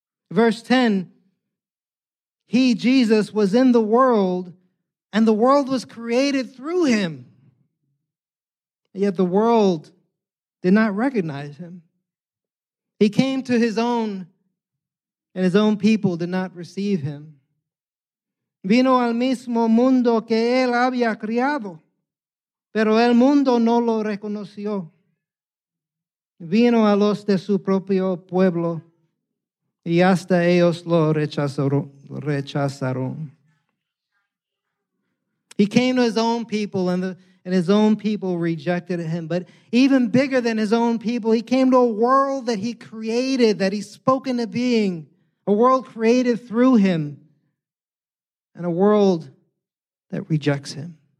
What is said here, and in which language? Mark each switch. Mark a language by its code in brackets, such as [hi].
[en] Verse 10, he, Jesus, was in the world, and the world was created through him. Yet the world did not recognize him. He came to his own, and his own people did not receive him. [es] Vino al mismo mundo que él había creado, pero el mundo no lo reconoció. Vino a los de su propio pueblo, y hasta ellos lo rechazaron. [en] He came to his own people, and his own people rejected him. But even bigger than his own people, he came to a world that he created, that he spoke into being, a world created through him, and a world that rejects him.